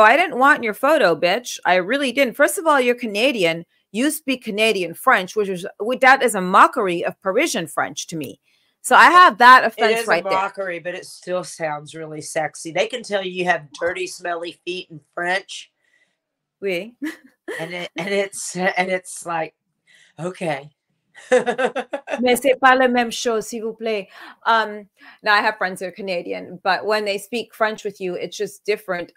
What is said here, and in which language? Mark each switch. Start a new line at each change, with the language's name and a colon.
English: I didn't want your photo, bitch. I really didn't. First of all, you're Canadian. You speak Canadian French, that is a mockery of Parisian French to me. So I have that offense right there. It is a mockery, but it still sounds really sexy. They can tell you have dirty, smelly feet in French.
French: Oui.
English: and it's like, okay.
French: Mais c'est pas la même chose, s'il vous plaît.
English: Now I have friends who are Canadian, but when they speak French with you, it's just different.